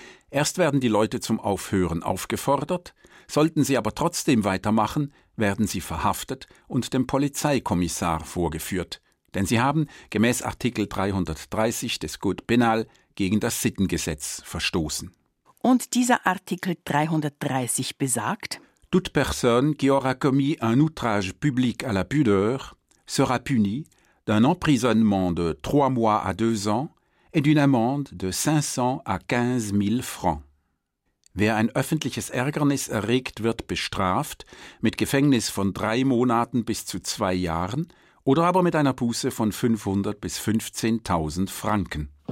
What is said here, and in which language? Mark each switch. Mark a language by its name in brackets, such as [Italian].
[German] Erst werden die Leute zum Aufhören aufgefordert, sollten sie aber trotzdem weitermachen, werden sie verhaftet und dem Polizeikommissar vorgeführt. Denn sie haben, gemäß Artikel 330 des Code Penal, gegen das Sittengesetz verstoßen. Und dieser Artikel 330 besagt: [French] Toute personne qui aura commis un outrage public à la pudeur sera punie d'un emprisonnement de 3 mois à 2 ans et d'une amende de 500 à 15 000 francs. [German] Wer ein öffentliches Ärgernis erregt, wird bestraft mit Gefängnis von 3 Monaten bis zu 2 Jahren oder aber mit einer Buße von 500 bis 15.000 Franken.